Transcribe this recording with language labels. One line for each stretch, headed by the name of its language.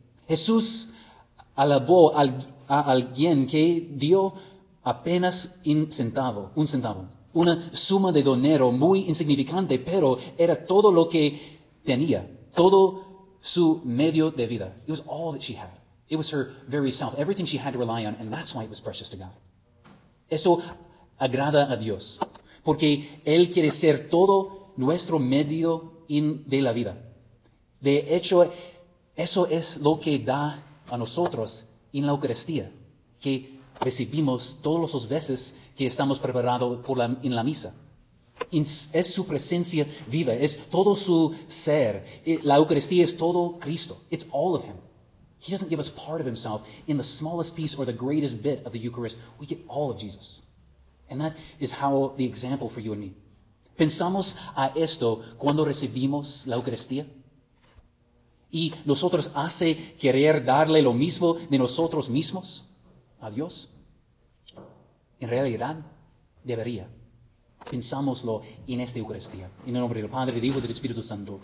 Spanish: Jesús alabó a alguien que dio apenas un centavo, una suma de dinero muy insignificante, pero era todo lo que tenía, todo su medio de vida.
English: It was all that she had. It was her very self, everything she had to rely on, and that's why it was precious to God.
Spanish: Eso agrada a Dios, porque Él quiere ser todo nuestro medio de la vida. De hecho, eso es lo que da a nosotros en la Eucaristía, que recibimos todas las veces que estamos preparados en la misa. Es su presencia viva, es todo su ser. La Eucaristía es todo Cristo.
English: It's all of Him. He doesn't give us part of Himself in the smallest piece or the greatest bit of the Eucharist. We get all of Jesus. And that is how the example for you and me.
Spanish: ¿Pensamos a esto cuando recibimos la Eucaristía? ¿Y nosotros hace querer darle lo mismo de nosotros mismos a Dios? En realidad, debería. Pensámoslo en esta Eucaristía. En el nombre del Padre, del Hijo y del Espíritu Santo.